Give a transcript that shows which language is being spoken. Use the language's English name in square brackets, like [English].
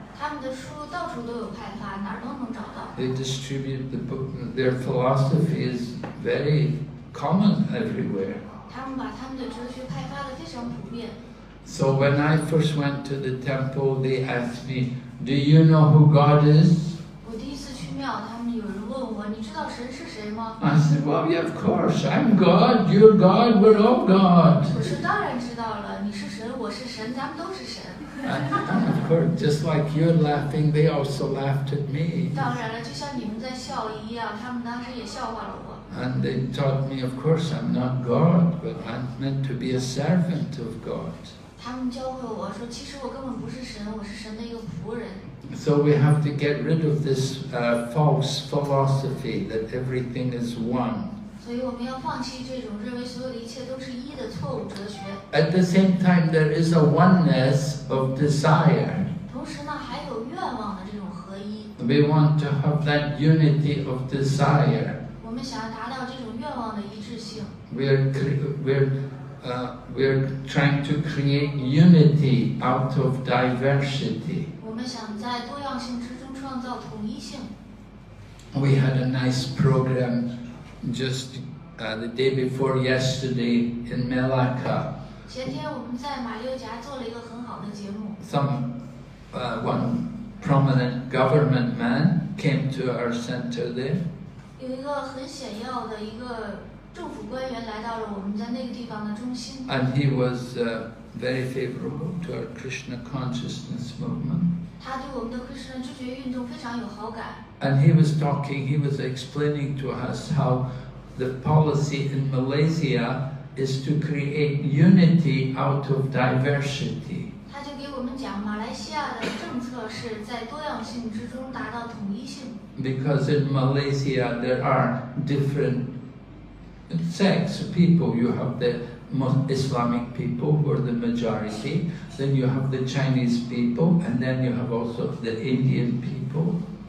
[Chinese] 他们的书到处都有派发，哪儿都能找到。 [English] They distribute the book. Their philosophy is very common everywhere. [Chinese] 他们把他们的哲学派发的非常普遍。 [English] So when I first went to the temple, they asked me, "Do you know who God is?" [Chinese] 我第一次去庙，他们有人问我，你吗？ [English] I said, well, yeah, of course. I'm God, you're God, we're all God. [Chinese] 我说当然知道了，你是神，我是神，咱们都是神。 [English] And of course, just like you're laughing, they also laughed at me. [Chinese] 当然了，就像你们在笑一样，他们当时也笑话了我。 [English] And they taught me, of course, I'm not God, but I'm meant to be a servant of God. [Chinese] 他们教会我说，其实我根本不是神，我是神的一个仆人。 [English] So we have to get rid of this false philosophy that everything is one. [Chinese] 所以我们要放弃这种认为所有的一切都是一的错误哲学。 [English] At the same time, there is a oneness of desire. [Chinese] 同时呢，还有愿望的这种合一。 [English] We want to have that unity of desire. [Chinese] 我们想要达到这种愿望的一致性。 [English] We're trying to create unity out of diversity. [Chinese] 我们想在多样性之中创造统一性。 [English] We had a nice program just the day before yesterday in Melaka. [Chinese] 前天我们在马六甲做了一个很好的节目。 [English] One prominent government man came to our center there. [Chinese] 有一个很显要的一个政府官员来到了我们在那个地方的中心。 [English] And he was very favorable to our Krishna consciousness movement. [Chinese] 他对我们的 Krishna 知觉运动非常有好感。 [English] And he was talking, he was explaining to us how the policy in Malaysia is to create unity out of diversity. [Chinese] 他就给我们讲马来西亚的政策是在多样性之中达到统一性。 [English] Because in Malaysia there are different sects of people. You have the Islamic people who are the majority, then you have the Chinese people, and then you have also the Indian people.